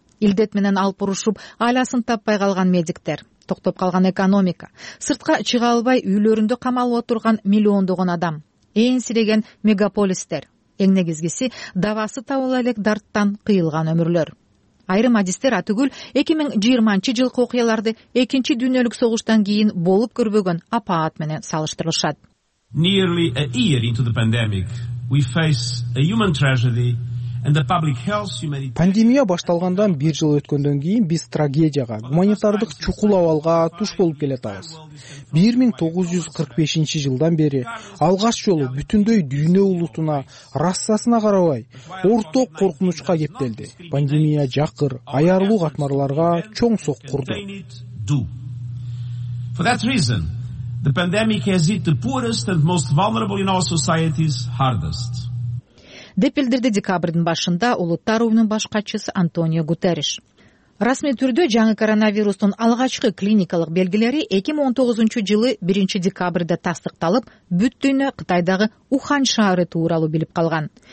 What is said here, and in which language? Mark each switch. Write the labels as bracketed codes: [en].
[ky] Илдет менен алып урушуп, айласын таппай калган медиктер, токтоп калган экономика, сыртка чыга албай үйлөрүндө камалып отурган миллиондогон адам, энсиреген мегаполистер, эң негизгиси давасы табыла элек дарттан кыйылган өмүрлөр. Айрым адистер атүгүл 2020 жылкы окуяларды экинчи дүйнөлүк согуштан кийин болуп көрбөгөн апаат менен салыштырышат. [en] Nearly a year into the pandemic, we face a human tragedy and the public health humanity. [ky] Пандемия башталгандан 1 жыл өткөндөн кийин биз трагедияга, гуманитардык чукул абалга туш болуп келебиз. 1945 жылдан бери алгач жолу бүтүндөй дүйнө улутуна расасына карабай орток коркунучка кептелди. Пандемия жакыр, аярлуу катмарларга чоң соккурду. [en] For that reason, the pandemic has hit the poorest and most vulnerable in our societies hardest. [ky] Деп билдирди декабрдын башында Улуттар уюмунун баш катчысы Антонио Гутериш. Расмий түрдө жаңы коронавирустун алгачкы клиникалык белгилери 2019 жылы 1 декабрда тастыкталып, бүт дүйнө Кытайдагы Ухань шаары тууралуу билип калган.